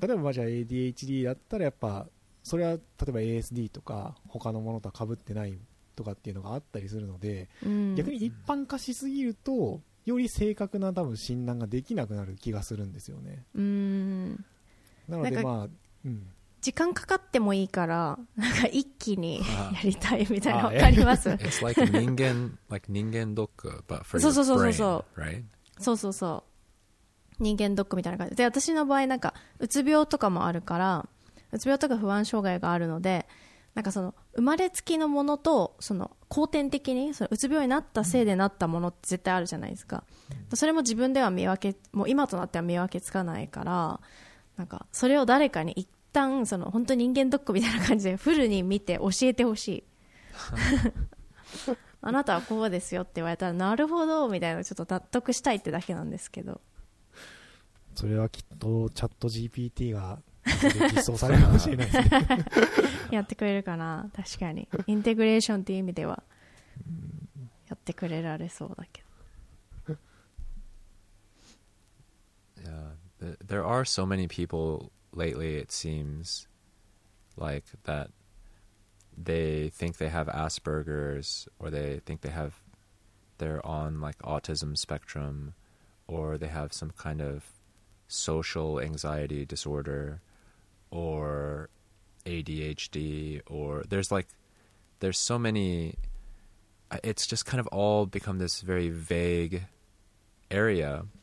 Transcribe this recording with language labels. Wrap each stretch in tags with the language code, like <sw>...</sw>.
<ja>例えばじゃあ ADHD だったらやっぱそれは例えば ASD とか他のものとは被ってないとかっていうのがあったりするので、うん、逆に一般化しすぎるとより正確な多分診断ができなくなる気がするんですよね。うん、なのでまあ、うん、時間かかってもいいからなんか一気にやりたいみたいな、わかります？</ja> <en>It's like 人間like 人間ドック but for your brain, right?</en> <ja>そう人間ドックみたいな感じで、私の場合なんかうつ病とかもあるから、うつ病とか不安障害があるので、なんかその生まれつきのものとその後天的にそのうつ病になったせいでなったものって絶対あるじゃないですか、うん、それも自分では見分け、もう今となっては見分けつかないから、なんかそれを誰かに一旦その本当人間ドックみたいな感じでフルに見て教えてほしい。あなたはこうですよって言われたらなるほどみたいな、ちょっと納得したいってだけなんですけど、それはきっとチャット GPT が実装されるかもしれないですね。やってくれるかな。確かにインテグレーションっていう意味ではやってくれられそうだけど。</ja> <en>There are so many people lately, it seems like, that they think they have Asperger's, or they think they're on like autism spectrum, or they have some kind of social anxiety disorder, or ADHD, or there's so many, it's just kind of all become this very vague area.</en>